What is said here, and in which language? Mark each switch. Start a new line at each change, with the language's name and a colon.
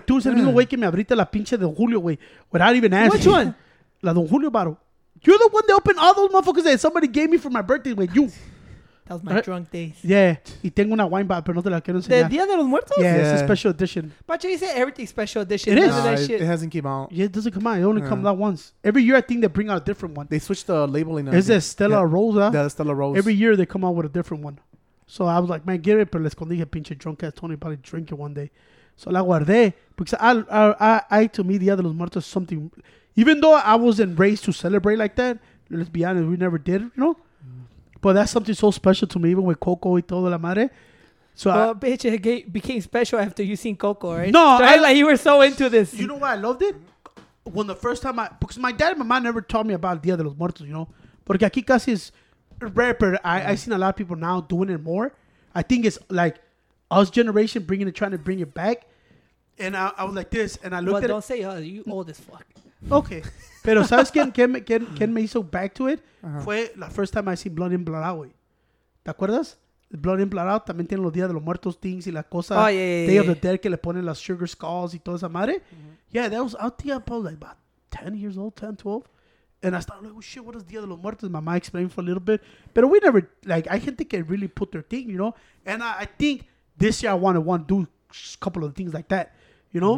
Spanish: Tú eres el mismo güey que me abriste la pinche de Julio, güey.
English: Without even asking. Which one? La Don Julio bottle. You're the one that opened all those motherfuckers that somebody gave me for my birthday, güey. You. That was my drunk days. Yeah.
Spanish: Y tengo una wine bottle, pero no te la quiero enseñar. ¿De Día de los Muertos?
English: Yeah, it's a special edition. Pacho, you say everything special edition. It is. No, it hasn't came out. Yeah, it doesn't come out. It only comes out once. Every year, I think they bring out a different one. They switched the labeling. Is it Stella Rosa? Yeah, Stella Rosa. Every year, they come out with a different one. So I was like, man, get it,
Spanish: pero le escondí a pinche
English: drunk ass Tony, probably drink it one day. So
Spanish: la guardé.
English: Because I to me, Día de los Muertos is something. Even though I wasn't raised to celebrate like that, let's be honest, we never did, you know? But that's something so special to me, even with Coco
Spanish: y todo la madre.
English: So bitch, it became special after you seen Coco, right? No. Right? Like, you were so into this. You know why I loved it? When the first time because my dad and my mom never taught me about Dia de los Muertos, you know?
Spanish: Porque aquí casi es
English: rare, but I've seen a lot of people now doing it more. I think it's like us generation bringing it, trying to bring it back. And I was like this, and I looked but at don't it. Say, you old as fuck. Okay.
Spanish: Pero sabes quién me hizo
English: back to it?
Spanish: Fue la
English: first time I seen
Spanish: Blood in Blood Out, güey. ¿Te acuerdas? Blood in Blood Out también tiene los Días de los Muertos things y la cosa.
English: Oh, yeah, yeah, Day yeah.
Spanish: of the Dead que le ponen las
English: sugar skulls
Spanish: y toda esa madre. Mm-hmm.
English: Yeah, that was out there probably like about 10 years old, 10, 12. And I started like, oh shit, what is Día de los Muertos? My mom explained for a little bit. But we never, like, I can't think I really put their thing, you know? And I think this year I want to do a couple of things like that, you know?